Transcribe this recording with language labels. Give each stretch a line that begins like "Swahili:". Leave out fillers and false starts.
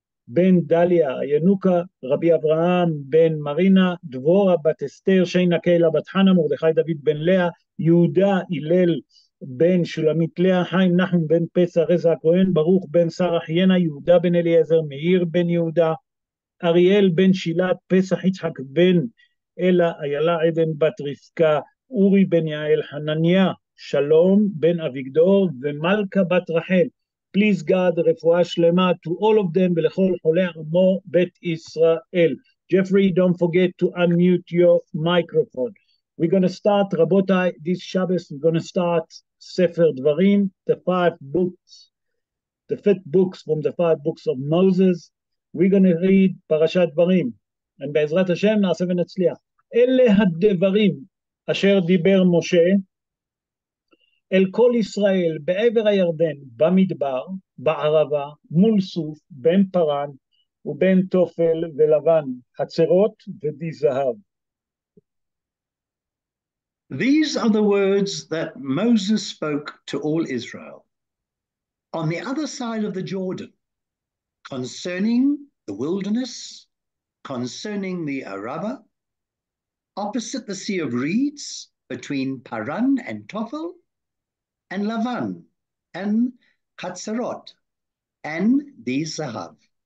Hebrew: בן דליה ינוקה, רבי אברהם בן מרינה, דבורה בת אסתר, שיינה קיילה בת חנה, מרדכי דוד בן לאה, יהודה הלל בן שולמית לאה, חיים נחם בן פסח רזע הכהן, ברוך בן שרח ינה, יהודה בן אליעזר, מאיר בן יהודה, אריאל בן שילת, פסח יצחק בן אלה, איילה עדן בת רבקה, אורי בן יעל, חנניה שלום בן אביגדור, ומלכה בת רחל.
English: Please God, refuah shlema to all of them,
Hebrew: ולכל חולי עמו בית ישראל.
English: Jeffrey, don't forget to unmute your microphone. We're going to start, רבותיי, this Shabbos, we're going to start Sefer Dvarim, the five books, the fifth books from the five books of Moses. We're going to read
Hebrew: פרשת דברים, and בעזרת השם נעשה ונצליח. אלה הדברים אשר דיבר משה, אל כל ישראל בעבר הירדן, במדבר, בערבה, מול סוף, בין פרן ובין תופל ולבן, חצרות ודי זהב.
English: These are the words that Moses spoke to all Israel on the other side of the Jordan, concerning the wilderness, concerning the Arava, opposite the Sea of Reeds, between Paran and Tophel, and Lavan, and Chatzarot, and the Zahav.